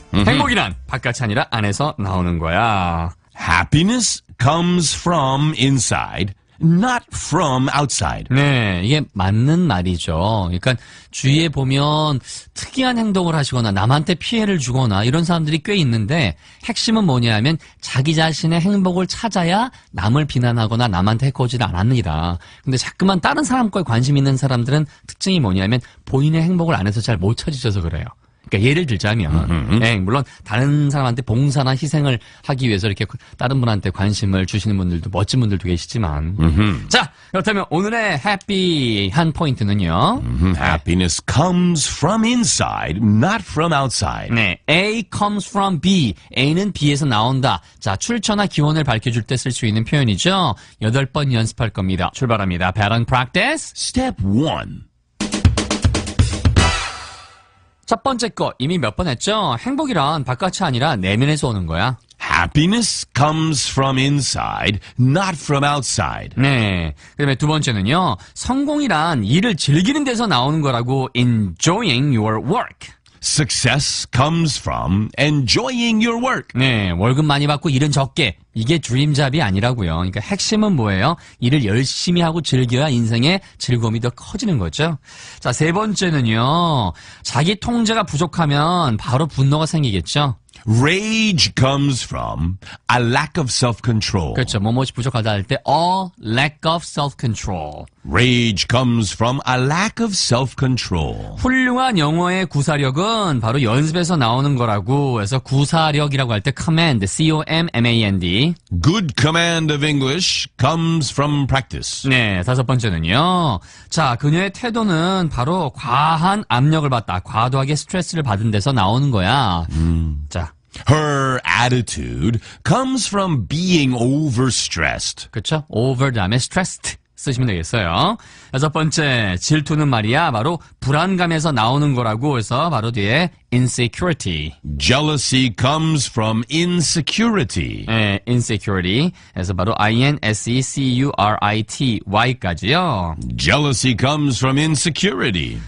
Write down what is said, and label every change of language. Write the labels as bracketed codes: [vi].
[ko] 행복이란 바깥이 아니라 안에서 나오는 거야. [en] Happiness comes from inside, not from outside. [ko] 네, 이게 맞는 말이죠. 그러니까 주위에 보면 특이한 행동을 하시거나 남한테 피해를 주거나 이런 사람들이 꽤 있는데 핵심은 뭐냐 하면 자기 자신의 행복을 찾아야 남을 비난하거나 남한테 해코지 않았느니라. 근데 자꾸만 다른 사람 거에 관심 있는 사람들은 특징이 뭐냐 하면 본인의 행복을 안에서 잘 못 찾으셔서 그래요. 그러니까 예를 들자면, 네, 물론 다른 사람한테 봉사나 희생을 하기 위해서 이렇게 다른 분한테 관심을 주시는 분들도 멋진 분들도 계시지만, 자 그렇다면 오늘의 happy한 포인트는요. [en] Happiness comes from inside, not from outside. [ko] 네, [en] A comes from B. [ko] A는 B에서 나온다. 자 출처나 기원을 밝혀줄 때 쓸 수 있는 표현이죠. 여덟 번 연습할 겁니다. 출발합니다. [en] Pattern practice. Step 1. [ko] 첫 번째 거 이미 몇 번 했죠? 행복이란 바깥이 아니라 내면에서 오는 거야. [en] Happiness comes from inside, not from outside. [ko] 네. 그 다음에 두 번째는요. 성공이란 일을 즐기는 데서 나오는 거라고 [en] enjoying your work. Success comes from enjoying your work. [ko] 네. 월급 많이 받고 일은 적게. 이게 드림잡이 아니라고요. 그러니까 핵심은 뭐예요? 일을 열심히 하고 즐겨야 인생의 즐거움이 더 커지는 거죠. 자, 세 번째는요. 자기 통제가 부족하면 바로 분노가 생기겠죠. [en] Rage comes from a lack of self-control. [ko] 그렇죠. 뭐뭐이 부족하다 할 때 [en] a lack of self-control. Rage comes from a lack of self-control. [ko] 훌륭한 영어의 구사력은 바로 연습에서 나오는 거라고 해서 구사력이라고 할 때 command, C-O-M-M-A-N-D. [en] Good command of English comes from practice. [ko] 네, 다섯 번째는요. 자, 그녀의 태도는 바로 과한 압력을 받다, 과도하게 스트레스를 받은 데서 나오는 거야. 자, [en] Her attitude comes from being overstressed. [ko] 그렇죠? Over 다음에 stressed 쓰시면 되겠어요. 여섯 번째, 질투는 말이야. 바로 불안감에서 나오는 거라고 해서 바로 뒤에 insecurity. [en] Jealousy comes from insecurity. [ko] 네, insecurity. 그래서 바로 insecurity까지요. [en] Jealousy comes from insecurity.